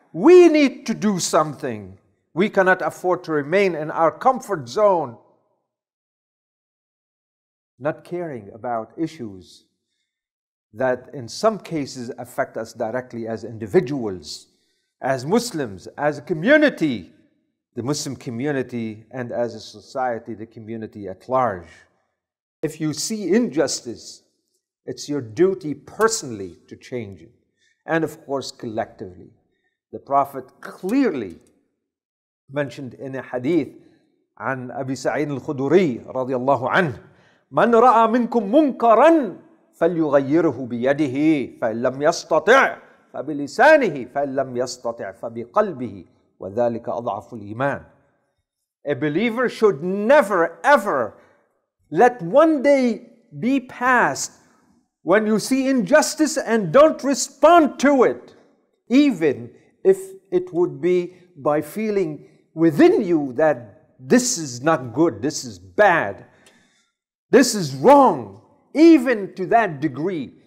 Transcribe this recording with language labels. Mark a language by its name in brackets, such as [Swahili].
[English] We need to do something. We cannot afford to remain in our comfort zone, not caring about issues that in some cases affect us directly as individuals, as Muslims, as a community, the Muslim community, and as a society, the community at large. If you see injustice, it's your duty personally to change it. And of course, collectively. [Arabic] The Prophet clearly mentioned in a hadith عن أبي سعيد الخدري رضي الله عنه من رأى منكم منكرا فليغيره بيده فإن لم يستطع فبلسانه فإن لم يستطع فبقلبه وذلك أضعف الإيمان. [English] A believer should never ever let one day be passed when you see injustice and don't respond to it, even if it would be by feeling within you that this is not good, this is bad, this is wrong, even to that degree.